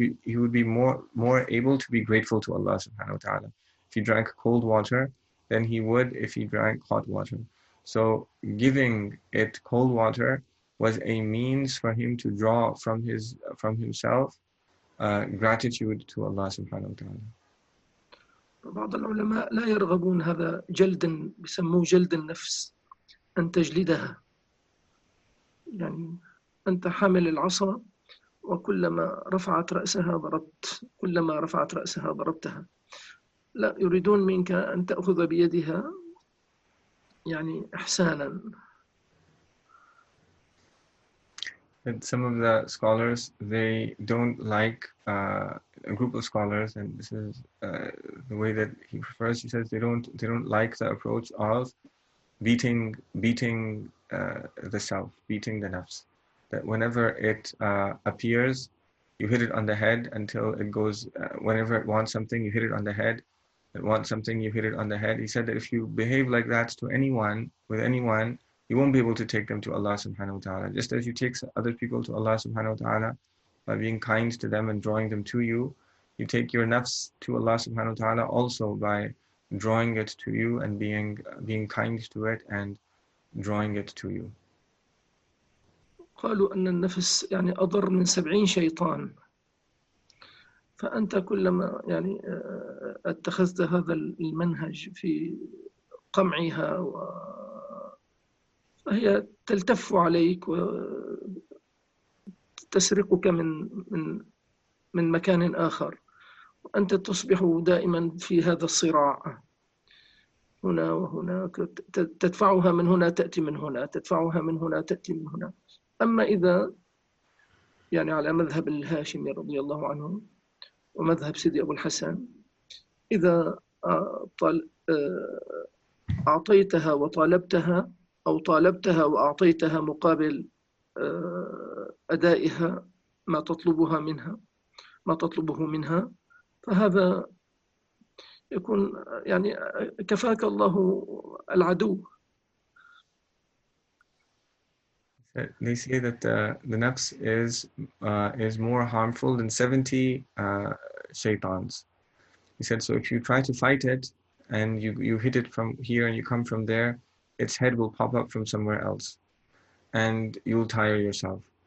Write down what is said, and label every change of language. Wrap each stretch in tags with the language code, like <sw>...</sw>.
<en>He would be more able to be grateful to Allah subhanahu wa ta'ala if he drank cold water than he would if he drank hot water. So giving it cold water was a means for him to draw from himself gratitude to Allah subhanahu wa ta'ala.</en> <ar>بعض العلماء لا يرغبون هذا جلدا بيسموه جلد النفس أن تجلدها يعني أنت حامل العصا وكلما رفعت رأسها ضربت كلما رفعت رأسها ضربتها لا يريدون منك أن تأخذ بيدها يعني إحسانا.</ar> <en>And some of the scholars, they don't like a group of scholars, and this is the way that he prefers. He says they don't like the approach of beating the self, beating the nafs. That whenever it appears, you hit it on the head until it goes. Whenever it wants something, you hit it on the head. It wants something, you hit it on the head. He said that if you behave like that to anyone, with anyone, you won't be able to take them to Allah subhanahu wa ta'ala. Just as you take other people to Allah subhanahu wa ta'ala by being kind to them and drawing them to you, you take your nafs to Allah subhanahu wa ta'ala also by drawing it to you and being kind to it and drawing it to you.</en> <ar>قالوا أن النفس يعني أضر من 70 شيطان فأنت كلما يعني اتخذت هذا المنهج في قمعها و هي تلتف عليك وتسرقك من مكان آخر وأنت تصبح دائما في هذا الصراع هنا وهناك، تدفعها من هنا تأتي من هنا، تدفعها من هنا تأتي من هنا. أما إذا يعني على مذهب الهاشمي رضي الله عنه ومذهب سيدي أبو الحسن، إذا أعطيتها وطالبتها أو طالبتها وأعطيتها مقابل أدائها ما تطلبها منها، ما تطلبه منها، فهذا يكون يعني كفاك الله العدو.</ar> <en>They say that the nafs is more harmful than 70 shaitans. He said, so if you try to fight it and you hit it from here and you come from there, its head will pop up from somewhere else and you'll tire yourself.</en>